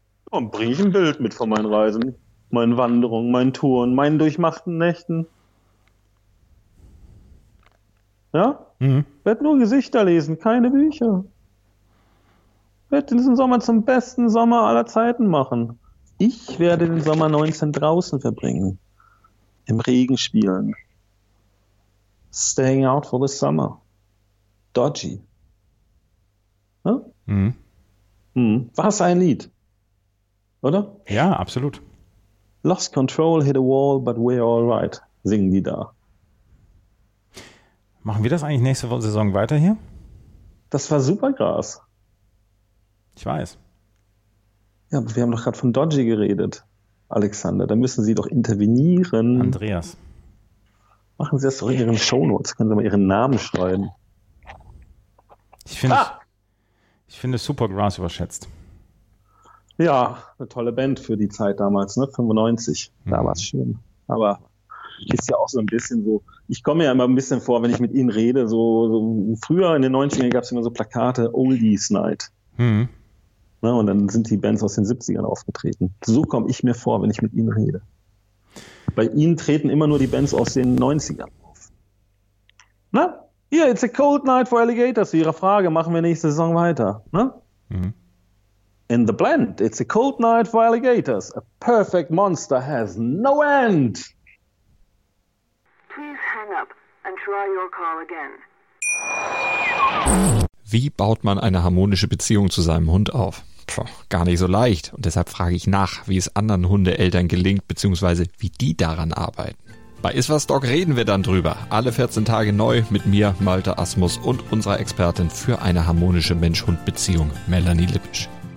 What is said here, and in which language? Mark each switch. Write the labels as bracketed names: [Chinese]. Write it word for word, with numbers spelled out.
[German] Dann bringe ich ein Bild mit von meinen Reisen, meinen Wanderungen, meinen Touren, meinen durchmachten Nächten. Ja? Mhm. Werd nur Gesichter lesen, keine Bücher. Werd diesen Sommer zum besten Sommer aller Zeiten machen. Ich werde den Sommer neunzehn draußen verbringen. Im Regen spielen. [English] Staying out for the summer. [German] Dodgy. Ne? Mhm. Mhm. War es ein Lied? Oder? Ja, absolut. [English] Lost control, hit a wall, but we're alright. [German] Singen die da. Machen wir das eigentlich nächste Saison weiter hier? Das war Supergras. Ich weiß. Ja, aber wir haben doch gerade von Dodgy geredet, Alexander. Da müssen Sie doch intervenieren. Andreas. Machen Sie das doch in Ihren Shownotes. Können Sie mal Ihren Namen schreiben. Ich finde, ah! ich finde Supergrass überschätzt. Ja, eine tolle Band für die Zeit damals, ne? fünfundneunzig. Da mhm. war es schön. Aber ist ja auch so ein bisschen so, ich komme ja immer ein bisschen vor, wenn ich mit Ihnen rede, so, so früher in den neunzigern gab es immer so Plakate, Oldies Night. Mhm. Na, und dann sind die Bands aus den siebzigern aufgetreten. So komme ich mir vor, wenn ich mit Ihnen rede. Bei Ihnen treten immer nur die Bands aus den neunzigern auf. Na, hier, [English] it's a cold night for alligators. [German] Zu Ihrer Frage, machen wir nächste Saison weiter. Na? Mhm. [English] In the blend, it's a cold night for alligators. A perfect monster has no end. Please hang up and try your call again. [German] Wie baut man eine harmonische Beziehung zu seinem Hund auf? Puh, gar nicht so leicht. Und deshalb frage ich nach, wie es anderen Hundeeltern gelingt, beziehungsweise wie die daran arbeiten. Bei Iswas Dog reden wir dann drüber. Alle vierzehn Tage neu mit mir, Malte Asmus, und unserer Expertin für eine harmonische Mensch-Hund-Beziehung, Melanie Lippisch.